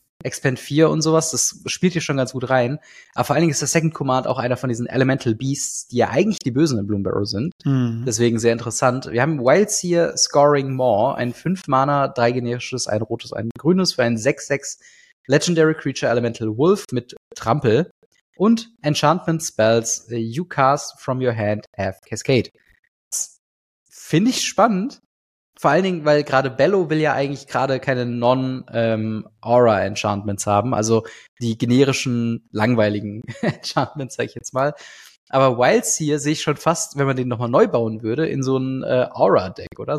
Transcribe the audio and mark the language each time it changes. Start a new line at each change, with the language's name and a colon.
German: Expand 4 und sowas, das spielt hier schon ganz gut rein. Aber vor allen Dingen ist der Second Command auch einer von diesen Elemental Beasts, die ja eigentlich die Bösen in Bloom Barrow sind. Deswegen sehr interessant. Wir haben Wildseer Scoring Maw, ein 5-Mana, 3 generisches, ein rotes, ein grünes, für ein 6-6 Legendary Creature Elemental Wolf mit Trampel. Und
English: Enchantment Spells you cast from your hand have Cascade.
German: Das finde ich spannend. Vor allen Dingen, weil gerade Bello will ja eigentlich gerade keine Non-Aura-Enchantments haben. Also die generischen, langweiligen Enchantments, sag ich jetzt mal. Aber Wildseer sehe ich schon fast, wenn man den nochmal neu bauen würde, in so ein Aura-Deck, oder?